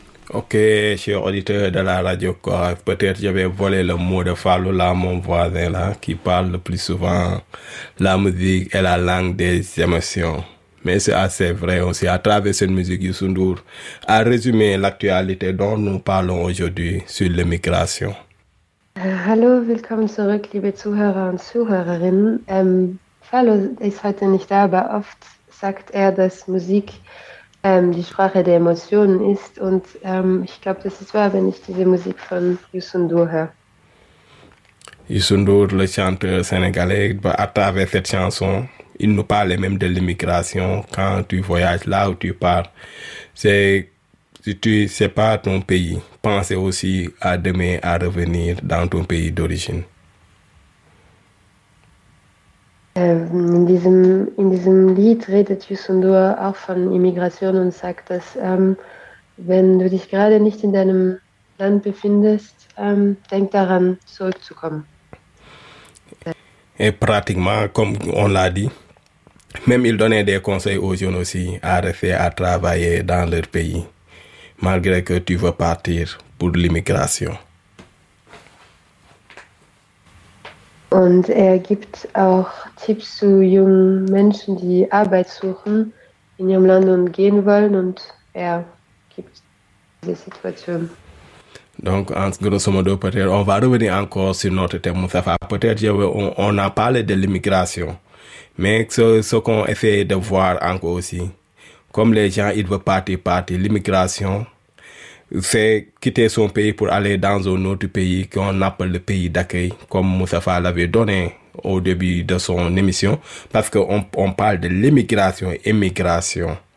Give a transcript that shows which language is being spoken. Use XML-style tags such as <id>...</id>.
<fr>Ok, chers auditeurs de la radio, quoi, peut-être je vais voler le mot de Fallou là, mon voisin là, qui parle le plus souvent la musique et la langue des émotions. Mais c'est assez vrai aussi. À travers cette musique, Youssou N'Dour a résumé l'actualité dont nous parlons aujourd'hui sur l'immigration.</fr> <de>Hallo, willkommen zurück, liebe Zuhörer und Zuhörerinnen. Fallou ist heute nicht da, aber oft sagt er, dass Musik die Sprache der Emotionen ist. Und ich glaube, das ist wahr, wenn ich diese Musik von Youssou N'Dour höre.</de> <fr>Youssou N'Dour, le chanteur sénégalais, bah, à travers cette chanson, il nous parlait même de l'immigration. Quand tu voyages là où tu pars, c'est pas ton pays. Pensez aussi à demain, à revenir dans ton pays d'origine.</fr> <de>In diesem Lied redet Youssou N'Dour auch von Immigration und sagt, dass wenn du dich gerade nicht in deinem Land befindest, denk daran, zurückzukommen.</de> <fr>Et pratiquement, comme on l'a dit, même il donnait des conseils aux jeunes aussi à rester, à travailler dans leur pays, malgré que tu veux partir pour l'immigration.</fr> <de>Und er gibt auch Tipps zu jungen Menschen, die Arbeit suchen in ihrem Land und gehen wollen. Und er gibt diese Situation.</de> <fr>Donc, en grosso modo, peut-être, on va revenir encore sur notre thème, Moustapha. Peut-être, on a parlé de l'immigration. Mais ce qu'on essaie de voir encore aussi, comme les gens, ils veulent partir, l'immigration, c'est quitter son pays pour aller dans un autre pays qu'on appelle le pays d'accueil, comme Moustapha l'avait donné au début de son émission, parce qu'on parle de l'immigration, immigration.</fr>